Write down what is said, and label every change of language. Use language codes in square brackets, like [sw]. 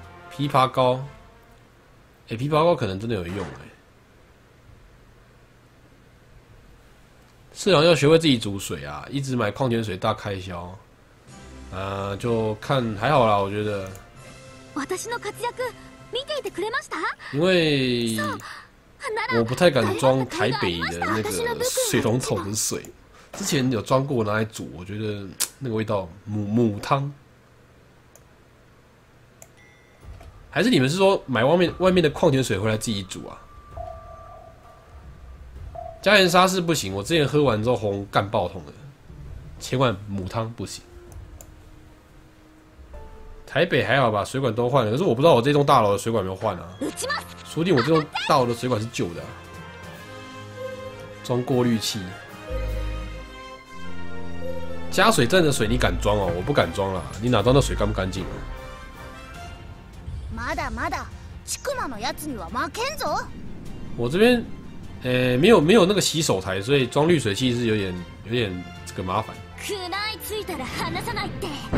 [zh] 枇杷膏，枇杷膏可能真的有用，是啊，要学会自己煮水啊，一直买矿泉水大开销，就看还好啦，我觉得。 [ja] 私の活躍見ていてくれました？ [zh] 因为。我不太敢装台北的那个水龙头的水，之前有装过拿来煮，我觉得那个味道母汤，还是你们是说买外面的矿泉水回来自己煮啊？加盐沙是不行，我之前喝完之后喉咙干爆痛的，千万母汤不行。台北还好吧，水管都换了，可是我不知道我这栋大楼的水管有没有换啊。说不定我这栋大楼的水管是旧的，装过滤器。加水站的水你敢装哦？我不敢装啦，你哪知道那水干不干净啊？ [ja] まだまだ、チクマのやつには負けんぞ。 [zh] 我这边，没有那个洗手台，所以装滤水器是有点这个麻烦。 [ja] くらいついたら離さないって。